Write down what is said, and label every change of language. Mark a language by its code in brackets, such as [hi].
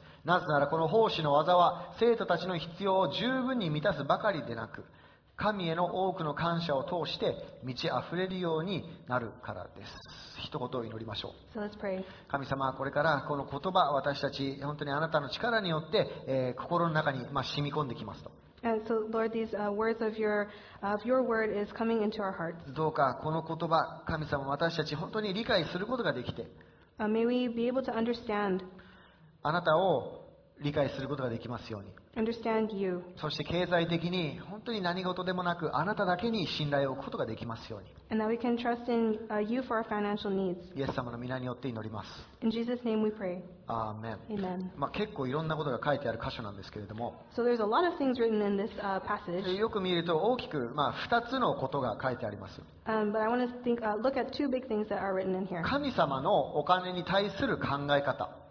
[ja] なぜならこの奉仕の技は、生徒たちの必要を十分に満たすばかりでなく、神への多くの感謝を通して満ち溢れるようになるからです。一言を祈りましょう。 [en] So let's pray. [ja] 神様、これからこの言葉、私たち本当にあなたの力によって、心の中に、染み込んできますと。 [en] And so, Lord, these words of your word is coming into our hearts. [ja] どうかこの言葉、神様、私たち本当に理解することができて、 [en] May we be able to understand. [ja] あなたを理解することができますように。 [en] Understand you. [ja] そして経済的に本当に何事でもなく、あなただけに信頼を置くことができますように。 [en] And that we can trust in you for our financial needs. [ja] イエス様の御名によって祈ります。 [en] In Jesus' name we pray. Amen. Amen. [ja] 結構いろんなことが書いてある箇所なんですけれども。 [en] So there's a lot of things written in this passage. [ja] よく見ると大きく2つのことが書いてあります。 [en] But I want to think, look at two big things that are written in here. [ja] 神様のお金に対する考え方。